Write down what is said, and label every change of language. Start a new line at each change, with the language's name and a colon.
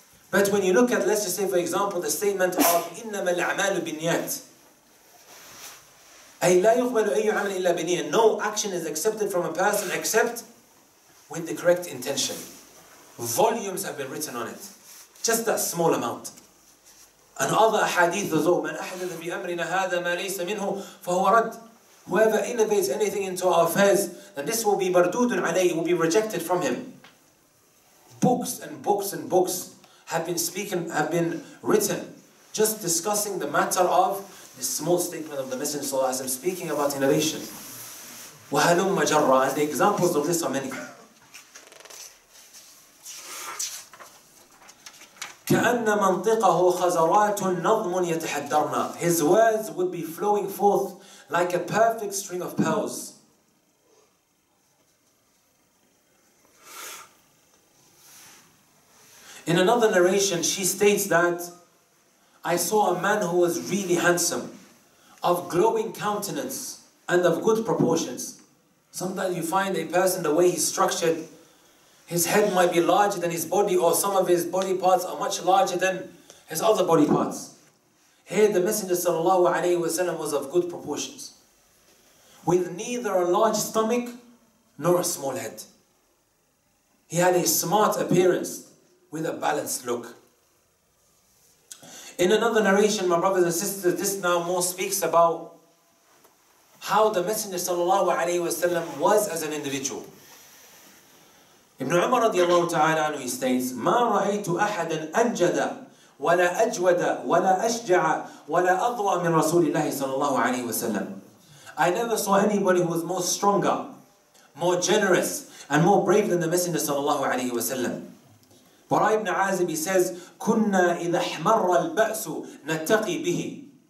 English: But when you look at, let's just say, for example, the statement of
Arabic: إِنَّمَا الْأَعْمَالُ بِالنِّيَاتِ أي لا يُقْبَلُ أَيُّ عَمَلٍ إِلَّا بِالنِّيَاتِ.
English: No action is accepted from a person except with the correct intention. Volumes have been written on it. Just that small amount. And other hadith of Zohar,
Arabic: مَنْ أَحْدَثَ بِأَمْرِنَا هَذَا مَا لَيْسَ مِنْهُ فَهُوَ رَدْ.
English: Whoever innovates anything into our affairs, then this will be
Arabic: مَرْدُودٌ عَلَيْهِ,
English: will be rejected from him. Books and books and books have been written, just discussing the matter of this small statement of the Messenger sallallahu alayhi wa sallam, speaking about innovation.
Arabic: وَهَلُمَّ جَرَّى.
English: And the examples of this are many.
Arabic: كأن منطقه خزرات نظم يتحدرنا.
English: His words would be flowing forth like a perfect string of pearls. In another narration, she states that I saw a man who was really handsome, of glowing countenance and of good proportions. Sometimes you find a person, the way he's structured, his head might be larger than his body, or some of his body parts are much larger than his other body parts. Here the Messenger sallallahu alayhi wa sallam was of good proportions, with neither a large stomach nor a small head. He had a smart appearance with a balanced look. In another narration, my brothers and sisters, this now more speaks about how the Messenger sallallahu alayhi wa sallam was as an individual. Ibn Umar radiallahu ta'ala anhu, he states,
Arabic: مَا رَأَيْتُ أَحَدًا أَنْجَدَ وَلَا أَجْوَدَ وَلَا أَشْجَعَ وَلَا أَضْوَى مِنْ رَسُولِ اللَّهِ صَلَى اللَّهُ عَلَيْهِ وَسَلَّمْ.
English: I never saw anybody who was more stronger, more generous, and more brave than the Messenger صلى الله عليه وسلم. Bara ibn Azib, he says,
Arabic: كُنَّا إِذَا حْمَرَّ الْبَأْسُ نَتَّقِي بِهِ.